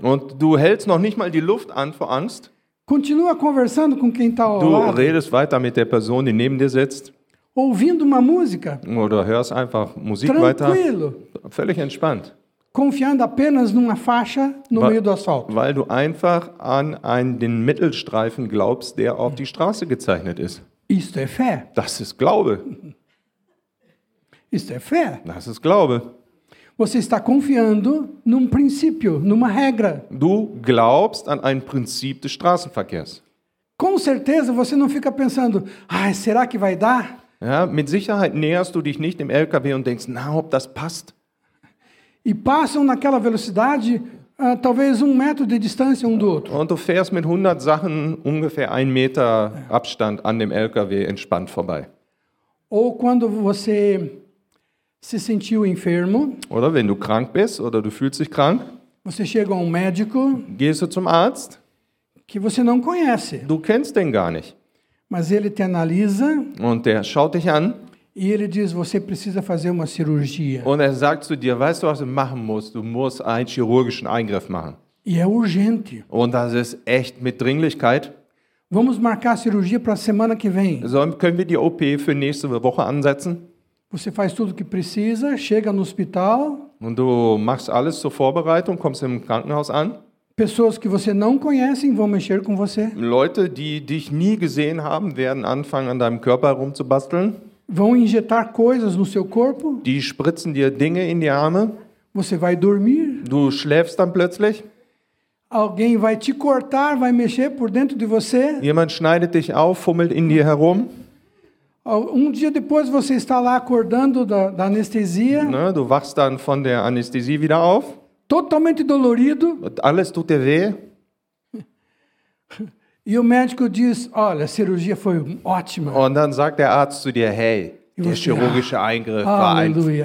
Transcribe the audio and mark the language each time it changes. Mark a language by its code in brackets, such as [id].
[de] Und du hältst noch nicht mal die Luft an vor Angst. [pt] Continua conversando com quem tá ao lado. [de] Du redest weiter mit der Person, die neben dir sitzt. [pt] Ouvindo uma música. [de] Oder hörst einfach Musik weiter. [pt] Tranquilo. [de] Völlig entspannt. [pt] Confiando apenas numa faixa no meio do asfalto. [de] Weil du einfach an den Mittelstreifen glaubst, der auf die Straße gezeichnet ist. [pt] Isto é fé. [de] Das ist Glaube. [pt] Isto é fé. [de] Das ist Glaube. [pt] Você está confiando num princípio, numa regra. [de] Du glaubst an ein Prinzip des Straßenverkehrs. [pt] Com certeza você não fica pensando, ah, será que vai dar? [de] Ja, mit Sicherheit näherst du dich nicht dem LKW und denkst, na, ob das passt. [pt] E passam naquela velocidade, talvez metro de distância do outro. [de] Und du fährst mit 100 Sachen ungefähr 1 Meter Abstand an dem LKW entspannt vorbei. [pt] Ou quando você se sentiu enfermo. [de] Oder wenn du krank bist oder du fühlst dich krank. [pt] Você chega a médico. [de] Gehst du zum Arzt. [pt] Que você não conhece. [de] Du kennst den gar nicht. [pt] Mas ele te analisa. [de] Und er schaut dich an. [pt] E ele diz, você precisa fazer uma cirurgia. [de] Und er sagt zu dir, weißt du, was du machen musst? Du musst einen chirurgischen Eingriff machen. [pt] E é urgente. [de] Und das ist echt mit Dringlichkeit. [pt] Vamos marcar a cirurgia para a semana que vem. [de] So, können wir die OP für nächste Woche ansetzen? [pt] Você faz tudo o que precisa, chega no hospital. [de] Und du machst alles zur Vorbereitung, kommst im Krankenhaus an. [pt] Pessoas que você não conhece vão mexer com você. [de] Leute, die dich nie gesehen haben, werden anfangen an deinem Körper rumzubasteln. [pt] Vão injetar coisas no seu corpo. [de] Die spritzen dir Dinge in die Arme. [pt] Você vai dormir. [de] Du schläfst dann plötzlich. [pt] Alguém vai te cortar, vai mexer por dentro de você. [de] Jemand schneidet dich auf, fummelt in dir herum. [pt] Dia depois você está lá acordando da anestesia. [de] Du wachst dann von der Anästhesie wieder auf. [pt] Totalmente dolorido. [de] Alles tut dir weh. [pt] E o médico diz, olha, a cirurgia foi ótima. [de] Und dann sagt der Arzt zu dir, hey, der chirurgische Eingriff war Halleluja.